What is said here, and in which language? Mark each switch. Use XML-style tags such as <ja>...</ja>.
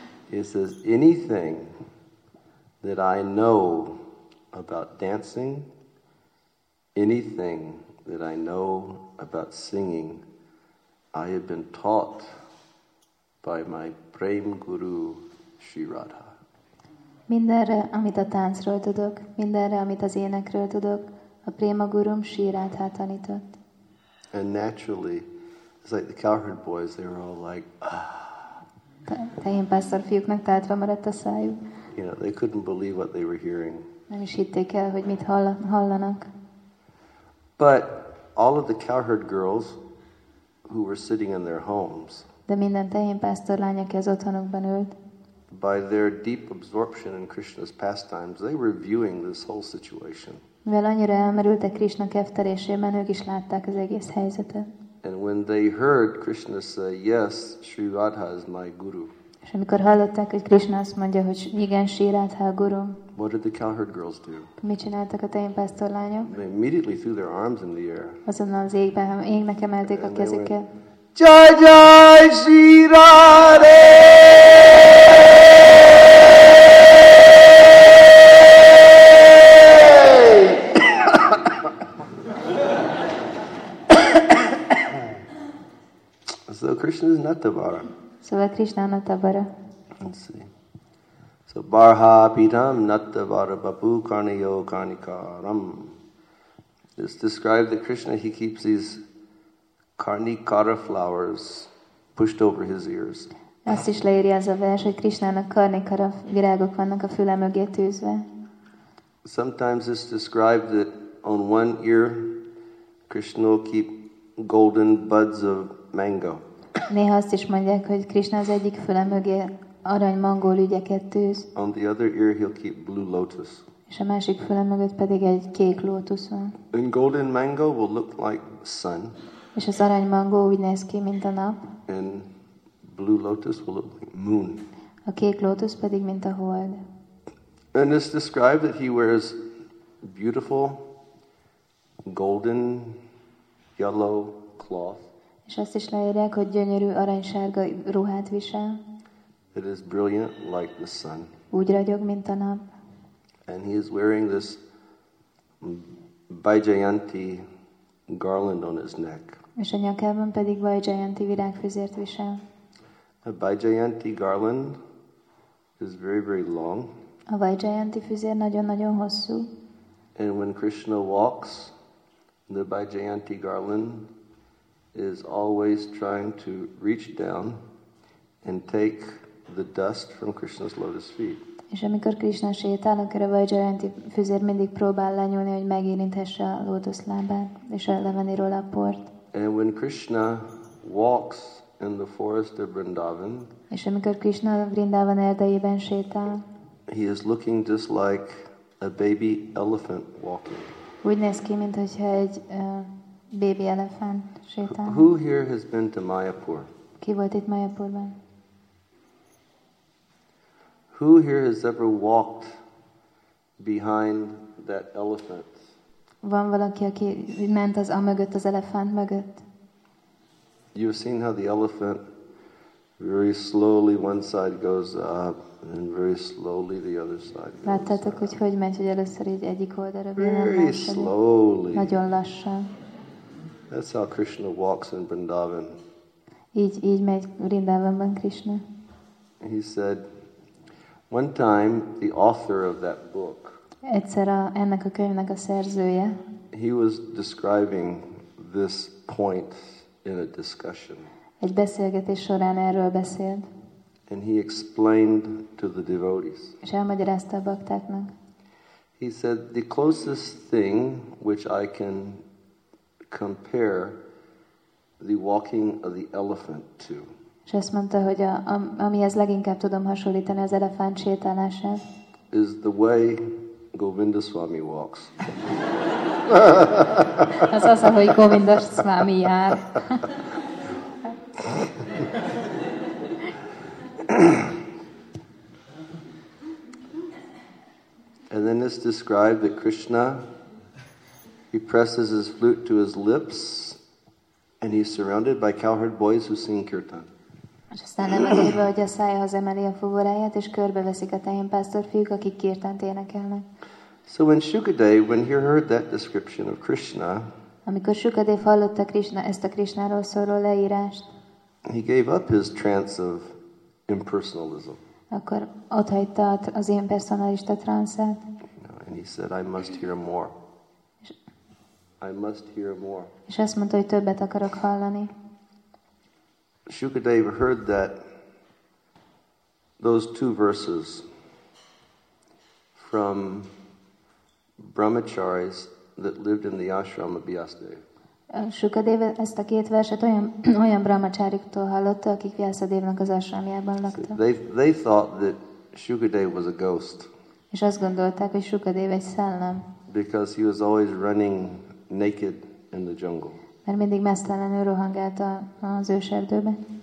<en>He says, anything that I know about dancing, anything that I know about singing, I have been taught by my Prem Guru, Sri Radha.</en> <hu>Mindenre, amit a táncról tudok, mindenre, amit az énekről tudok, a Prema Gurum sírát hát tanított.</hu> <en>And naturally, it's like the Cowherd boys, they were all like,</en> <hu>Tehén pásztor fiúknak tátva maradt a szájuk.</hu> <en>You know, they couldn't believe what they were hearing.</en> <hu>Nem is hitték el, hogy mit hallanak.</hu> <en>But all of the Cowherd girls who were sitting in their homes,</en> <hu>de minden tehén pásztor lány, aki az otthonukban ült,</hu> <en>by their deep absorption in Krishna's pastimes, they were viewing this whole situation.</en> <hu>Mivel annyira elmerültek Krishna kefterésében, ők is látták az egész helyzetet.</hu> <en>And when they heard Krishna say, yes, Sri Radha is my guru.</en> <hu>És amikor hallották, hogy Krishna azt mondja, hogy igen, Sri Radha a guru.</hu> <en>What did the Cowherd girls do?</en> <hu>Mit csináltak a tehén pásztor lányok?</hu> <en>They immediately threw their arms in the air.</en> <hu>Azonnal az égnek emelték a kezüket.</hu> <sa>Jai Jai Sri Radha!</sa> <en>So Krishna is Natavara.</en> <hu>Szóval Krishna Natavara.</hu> <en>Let's see. So</en> <sa>Barha Pitam Natavara Babu Karniyo Karnikaram.</sa> <en>It's described that Krishna, he keeps these Karnikara flowers pushed over his ears.</en> <hu>Azt is leírja az a vers, hogy Krishnának karnikara virágok vannak a füle mögé tűzve.</hu> <en>Sometimes it's described that on one ear Krishna will keep golden buds of mango.</en> <hu>Néha azt is mondják, hogy Krishna az egyik füle mögé arany mangó lügyeket tűz.</hu> <en>On the other ear he'll keep blue lotus.</en> <hu>És a másik füle mögött pedig egy kék lótusz van.</hu> <en>And golden mango will look like sun.</en> <hu>És az arany mangó úgy néz ki, mint a nap.</hu> <en>And blue lotus will look like moon.</en> <hu>A kék lótusz pedig, mint a hold.</hu> <en>And it's described that he wears beautiful golden yellow cloth.</en> <hu>És azt is leírják, hogy gyönyörű aranysárga ruhát visel.</hu> <en>It is brilliant like the sun.</en> <hu>Úgy ragyog, mint a nap.</hu> <en>And he is wearing this Vajjayanti garland on his neck.</en> <hu>És a nyakában pedig Vajjayanti virágfüzért visel.</hu> <en>A Vajjayanti garland is very, very long.</en> <hu>A Vajjayanti füzér nagyon-nagyon hosszú.</hu> <en>And when Krishna walks, the Vajjayanti garland is always trying to reach down and take the dust from Krishna's lotus feet.</en> <hu>És amikor Krishna sétál, akkor a Vajjayanti füzér mindig próbál lenyúlni, hogy megérinthesse a lótusz lábát, és levenni róla a port.</hu> <en>And when Krishna walks in the forest of Vrindavan,</en> <hu>és amikor Krishna Vrindavan erdejében sétál,</hu> <en>he is looking just like a baby elephant walking.</en> <hu>Úgy néz ki, mint hogyha egy baby elefánt sétál.</hu> <en>Who here has been to Mayapur?</en> <hu>Ki volt itt Mayapurban?</hu> <en>Who here has ever walked behind that elephant?</en> <hu>Van valaki, aki ment az amögött, az elefánt mögött?</hu> <en>You've seen how the elephant very slowly one side goes up and very slowly the other side goes up.</en> <hu>Láttátok, hogy megy, hogy először így egyik oldalra, vagy a másik.</hu> <en>Slowly.</en> <hu>Nagyon lassan.</hu> <en>That's how Krishna walks in Vrindavan.</en> <hu>Így megy Vrindavanban Krishna.</hu> <en>He said, one time the author of that book,</en> <hu>egyszer ennek a könyvnek a szerzője,</hu> <en>he was describing this point in a discussion.</en> <hu>Egy beszélgetés során erről beszélt.</hu> <en>And he explained to the devotees.</en> <hu>És elmagyarázta a baktáknak.</hu> <en>He said, the closest thing which I can compare the walking of the elephant to.</en> <hu>És azt mondta, hogy amihez leginkább tudom hasonlítani az elefánt sétálását.</hu> <en>Is the way Govinda Swami walks.</en> <hu>Ez az, ahogy Govinda Swami jár.</hu> <en>And then it's described that Krishna, he presses his flute to his lips and he's surrounded by cowherd boys who sing kirtan.</en> <hu>És aztán nem elérve, hogy a szájahoz emeli a fuvoráját, és körbeveszik a tehénpásztor fiúk, akik kirtant énekelnek.</hu> <en>So when Shukadev, when he heard that description of Krishna,</en> <hu>amikor Shukadev hallotta Krishna, ezt a Krishnáról szóló leírást,</hu> <en>he gave up his trance of impersonalism.</en> <hu>Akkor ott hagyta az impersonalista transzát.</hu> <en>And he said, I must hear more. I must hear more.</en> <hu>És azt mondta, hogy többet akarok hallani.</hu> <en>Shukadev heard that those two verses from brahmacharis that lived in the ashram of Vyasadeva.</en> <hu>Shukadev ezt a két verset olyan brahmacháriktól hallotta, akik Vyasadevnak az ashramjában laktak.</hu> <en>They thought that Shukadev was a ghost.</en> <hu>És azt gondolták, hogy Shukadev egy szellem.</hu> <en>Because he was always running naked in the jungle.</en> <hu>Mert mindig mesztelenül rohangált az őserdőbe.</hu>